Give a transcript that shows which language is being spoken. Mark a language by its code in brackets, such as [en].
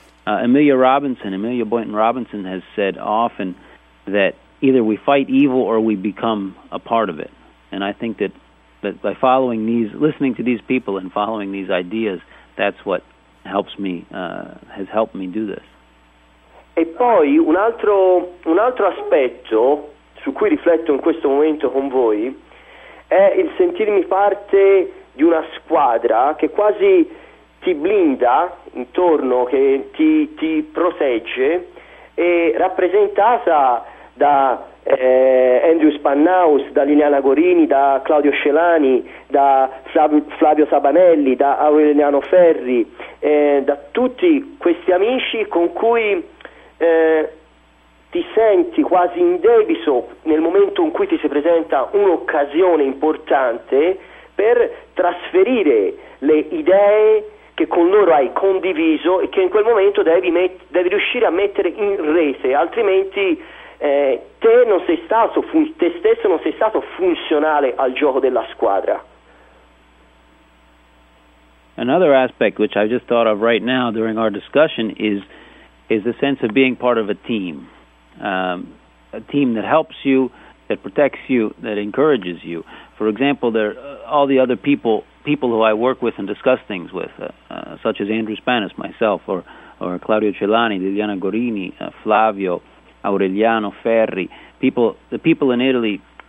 [en] Amelia Boynton Robinson has said often that either we fight evil or we become a part of it. And I think that by following these, listening to these people and following these ideas, that's what helps me, has helped me do this. [it] E poi un altro aspetto su cui rifletto in questo momento con voi è il sentirmi parte di una squadra che quasi ti blinda intorno, che ti protegge, e rappresentata da Andrew Spannaus, da Liliana Gorini, da Claudio Scelani, da Flavio Sabanelli, da Aureliano Ferri, da tutti questi amici con cui ti senti quasi indebito nel momento in cui ti si presenta un'occasione importante per trasferire le idee che con loro hai condiviso e che in quel momento devi riuscire a mettere in rete, altrimenti te stesso non sei stato funzionale al gioco della squadra. [en] Another aspect which I just thought of right now during our discussion is the sense of being part of a team that helps you, that protects you, that encourages you. For example, there are all the other people who I work with and discuss things with, such as Andrew Spanis, myself, or Claudio Celani, Liliana Gorini, Flavio, Aureliano Ferri, the people in Italy.